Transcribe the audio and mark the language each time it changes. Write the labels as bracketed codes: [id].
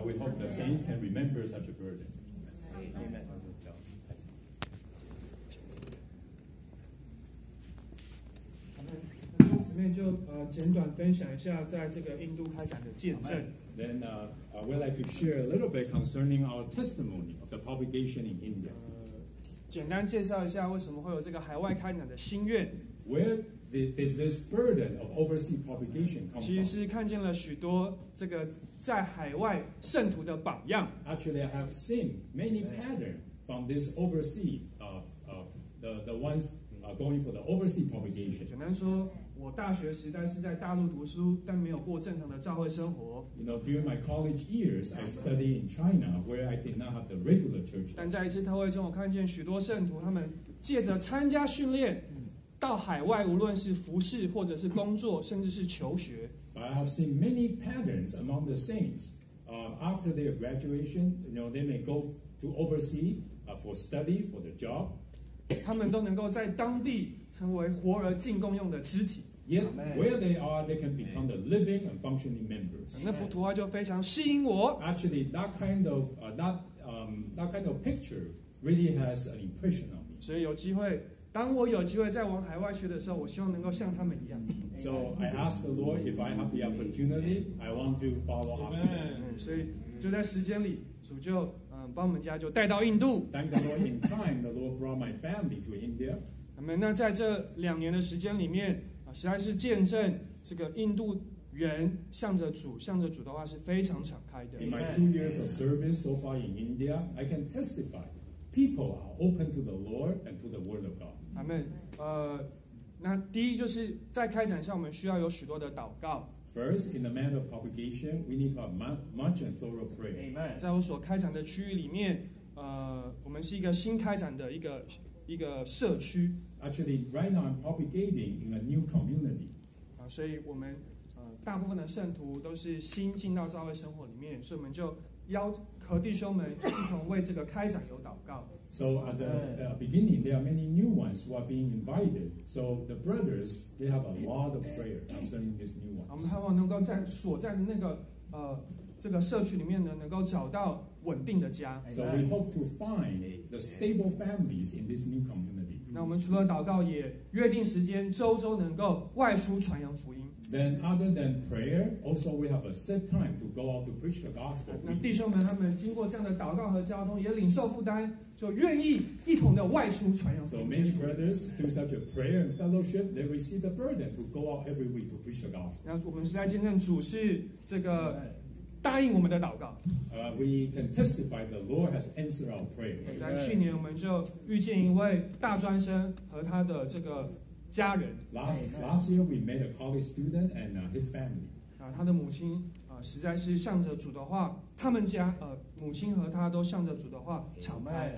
[en] We hope the saints can remember such a burden. Amen. Then we'd like to share a little bit concerning our testimony of the propagation in India. [zh] 简单介绍一下为什么会有这个海外开展的心愿。 [en] Where did this burden of overseas propagation come from? [zh] 其实看见了许多这个在海外圣徒的榜样。 [en] Actually, I have seen many patterns from this overseas, the ones going for the overseas propagation. [zh] 简单说，我大学时代是在大陆读书，但没有过正常的教会生活。 [en] You know, during my college years, I studied in China, where I did not have the regular church. [zh] 但在一次特会中，我看见许多圣徒，他们借着参加训练。到海外，无论是服事或者是工作，甚至是求学。 [en] I have seen many patterns among the saints. After their graduation, you know, they may go to overseas for study, for the job. [zh] 他们都能够在当地成为活而敬共用的肢体。 [en] Yet, where they are, they can become the living and functioning members. [zh] 那幅图画就非常吸引我。 [en] Actually, that kind of picture really has an impression on me. [zh] 所以有机会。当我有机会再往海外去的时候，我希望能够像他们一样。 [en] So I ask the Lord if I have the opportunity, I want to follow after. [zh] 所以就在时间里，主就帮我们家就带到印度。 [en] Thank the Lord in time, the Lord brought my family to India. [zh] 那在这两年的时间里面，实在是见证这个印度人向着主的话是非常敞开的。 [en] In my 2 years of service so far in India, I can testify. People are open to the Lord and to the Word of God. Amen. [zh] 那第一就是在开展上，我们需要有许多的祷告。 [en] First, in the matter of propagation, we need to have much and thorough prayer. Amen. [zh] 在我所开展的区域里面，我们是一个新开展的一个社区。 [en] Actually, right now I'm propagating in a new community. [zh] 所以我们大部分的圣徒都是新进到教会生活里面，所以我们就邀和弟兄们一同为这个开展有祷告。 [en] So at the beginning, there are many new ones who are being invited. So the brothers, they have a lot of prayer concerning these new ones. [zh] 我们盼望能够在所在的那个这个社区里面呢，能够找到稳定的家。 [en] So we hope to find the stable families in this new community. [zh] 那我们除了祷告，也约定时间，周周能够外出传扬福音。 [en] Then other than prayer, also we have a set time to go out to preach the gospel. [zh] 那弟兄们他们经过这样的祷告和交通，也领受负担，就愿意一同的外出传扬。 [en] So many brothers do such a prayer and fellowship, they receive the burden to go out every week to preach the gospel. [zh] 那我们是在见证主是这个答应我们的祷告。 [en] We can testify the Lord has answered our prayer. [zh] 在去年我们就遇见一位大专生和他的这个。家人 [en] last year we met a college student and his family. [zh] 他的母亲实在是向着主的话，他们家母亲和他都向着主的话敞开。